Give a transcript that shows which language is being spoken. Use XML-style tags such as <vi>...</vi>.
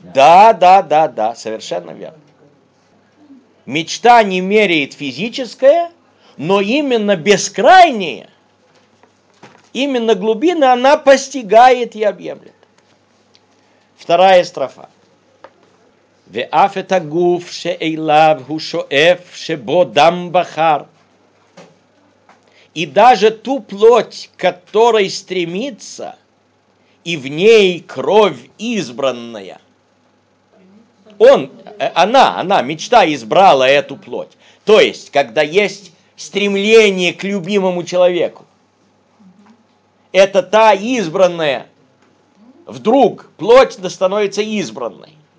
<ru>Да, да, да, да, совершенно верно. Мечта не меряет физическое, но именно бескрайнее, именно глубина, она постигает и объемлет. Вторая строфа.</ru> <he>ואף את הגוף שאליו הוא שואף שבו דם בחר.</he> <ru>И даже ту плоть, которой стремится, и в ней кровь избранная. Он, она мечта избрала эту плоть. То есть, когда есть стремление к любимому человеку, это та избранная, вдруг плоть становится избранной.</ru>